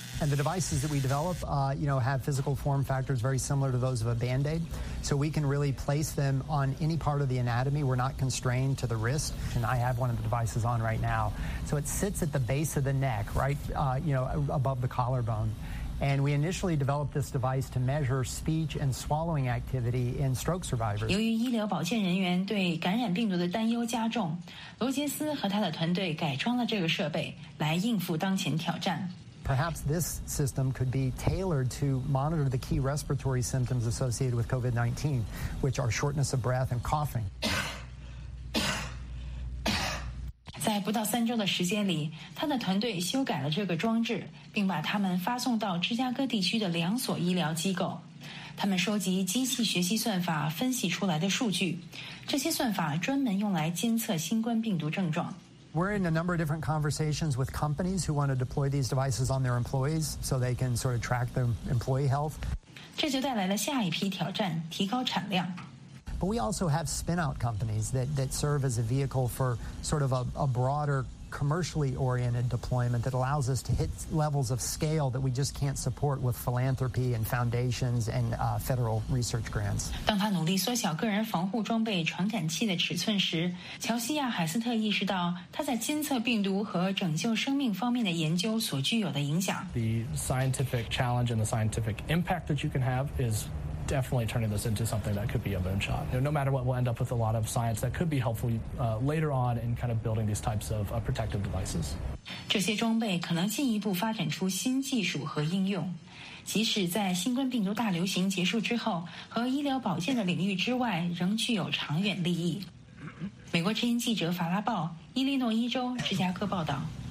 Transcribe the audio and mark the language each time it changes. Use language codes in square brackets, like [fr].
[en] And the devices that we develop, have physical form factors very similar to those of a Band-Aid. So we can really place them on any part of the anatomy. We're not constrained to the wrist. And I have one of the devices on right now. So it sits at the base of the neck, right, above the collarbone. And we initially developed this device to measure speech and swallowing activity in stroke survivors. [zh] 由于医疗保健人员对感染病毒的担忧加重，罗杰斯和他的团队改装了这个设备来应付当前挑战。 [en] Perhaps this system could be tailored to monitor the key respiratory symptoms associated with COVID-19, which are shortness of breath and coughing. [zh] 在不到三周的时间里，他的团队修改了这个装置，并把它们发送到芝加哥地区的两所医疗机构。他们收集机器学习算法分析出来的数据，这些算法专门用来监测新冠病毒症状。 [en] We're in a number of different conversations with companies who want to deploy these devices on their employees so they can sort of track their employee health. [zh] 这就带来了下一批挑战，提高产量。 [en] But we also have spin-out companies that serve as a vehicle for sort of a broader commercially oriented deployment that allows us to hit levels of scale that we just can't support with philanthropy and foundations and federal research grants. [zh] 当他努力缩小个人防护装备传感器的尺寸时，乔西亚·海斯特意识到他在监测病毒和拯救生命方面的研究所具有的影响。 [en] The scientific challenge and the scientific impact that you can have isDefinitely turning this into something that could be a moonshot. No matter what, we'll end up with a lot of science that could be helpful later on in kind of building these types of protective devices. [zh] 这些装备可能进一步发展出新技术和应用，即使在新冠病毒大流行结束之后，和医疗保健的领域之外，仍具有长远利益。美国之音记者法拉报，伊利诺伊州芝加哥报道。